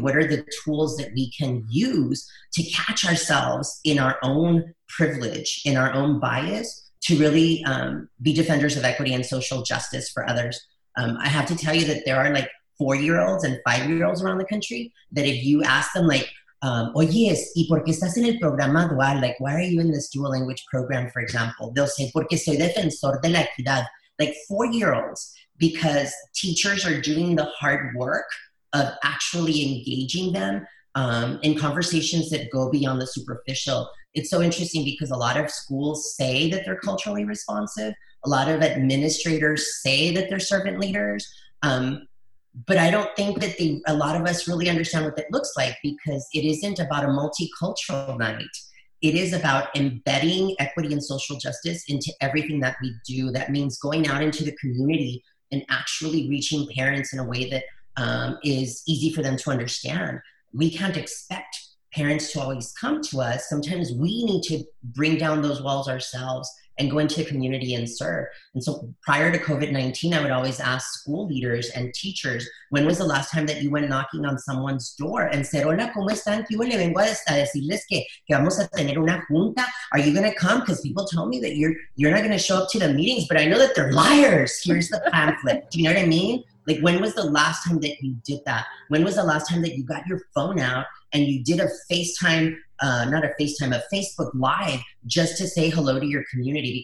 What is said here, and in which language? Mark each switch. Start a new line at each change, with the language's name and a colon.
English: What are the tools that we can use to catch ourselves in our own privilege, in our own bias, to really be defenders of equity and social justice for others? I have to tell you that there are like 4-year-olds and 5-year-olds around the country that if you ask them, like,
Spanish: Oyes, ¿y por qué estás en el programa dual?
English: Like, why are you in this dual language program, for example? They'll say,
Spanish: porque soy defensor de la equidad.
English: Like, four-year-olds, because teachers are doing the hard work of actually engaging them in conversations that go beyond the superficial. It's so interesting because a lot of schools say that they're culturally responsive. A lot of administrators say that they're servant leaders. But I don't think that a lot of us really understand what that looks like, because it isn't about a multicultural night. It is about embedding equity and social justice into everything that we do. That means going out into the community and actually reaching parents in a way that is easy for them to understand. We can't expect parents to always come to us. Sometimes we need to bring down those walls ourselves and go into the community and serve. And so prior to COVID-19, I would always ask school leaders and teachers, when was the last time that you went knocking on someone's door and said,
Spanish: hola, ¿cómo están? ¿Qué le vengo a decirles que vamos a tener una junta?
English: Are you gonna come? Because people tell me that you're not gonna show up to the meetings, but I know that they're liars. Here's the pamphlet. Do you know what I mean? Like, when was the last time that you did that? When was the last time that you got your phone out and you did a Facebook Live just to say hello to your community?